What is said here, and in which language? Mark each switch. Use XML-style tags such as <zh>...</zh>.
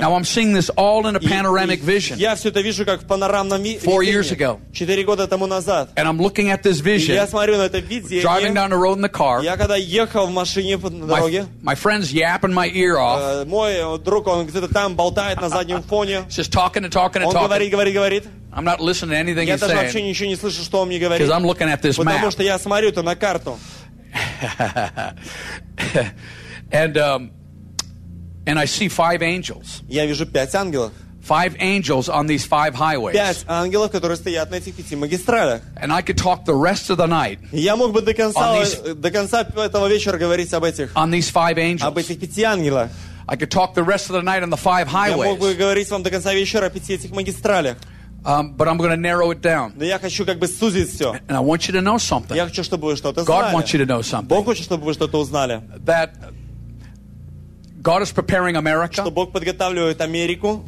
<en>Now I'm seeing this all in a panoramic vision.</en> <ru>Я все это вижу как в панорамном видении.</ru> <en>4 years ago.</en> <ru>4 года тому назад.</ru> <en>And I'm looking at this vision.</en> <ru>Я смотрю на это видение.</ru> <en>Driving down the road in the car.</en> <ru>Я когда ехал в машине по дороге.</ru> <en>My friend's yapping my ear off.</en> <ru>Мой друг, он где-то там болтает на заднем фоне.</ru> <en>Just talking and talking and talking.</en> <ru>Он говорит, говорит, говорит.</ru> <en>I'm not listening to anything he's saying.</en> <ru>Я даже вообще ничего не слышу, что он мне говорит.</ru> <en>Because I'm looking at this map.</en> <ru>Потому что я смотрю это на карту.</ru> <en>And I see 5 angels.</en> <ru>Я вижу 5 ангелов.</ru> <en>5 angels on these 5 highways.</en> <ru>5 ангелов, которые стоят на этих 5 магистралях.</ru> <en>And I could talk the rest of the night.</en> <ru>Я мог бы до конца этого вечера говорить об этих.</ru> <en>On these 5 angels.</en> <ru>Об этих 5 ангелах.</ru> <en>I could talk the rest of the night on the 5 highways.</en> <ru>Я мог бы говорить вам до конца вечера о 5 этих магистралях.</ru> <en>But I'm going to narrow it down.</en> <ru>Но я хочу как бы сузить все.</ru> <en>And I want you to know something.</en> <ru>Я хочу, чтобы вы что-то знали.</ru> <en>God wants you to know something.</en> <ru>Бог хочет, чтобы вы что-то узнали.</ru> <en>That God is preparing America.</en> <ru>Что Бог подготавливает Америку.</ru>